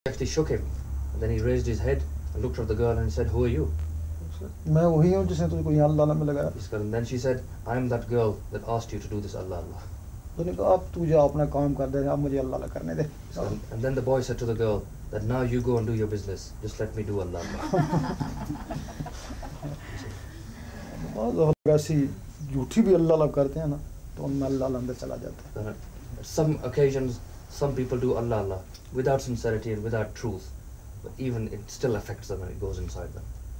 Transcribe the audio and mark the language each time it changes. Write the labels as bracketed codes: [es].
[en] safety shook him and then he raised his head and looked at the girl and said, who are you? [ur] میں وہی ہوں جس نے تجھ کو یہاں اللہ اللہ میں لگایا. [en] And then she said, I am that girl that asked you to do this اللہ اللہ. [ur] تو نے کہا اب تو جا اپنا کام کر دے, اب مجھے اللہ اللہ کرنے دے. [en] And then the boy said to the girl that now you go and do your business, just let me do اللہ اللہ. [ur] بہت زہر ایسی جھوٹی بھی اللہ اللہ کرتے ہیں نا تو ان میں اللہ اللہ اندر چلا جاتا ہے. [en] Some occasions some people do اللہ اللہ without sincerity and without truth, but even it still affects them and it goes inside them.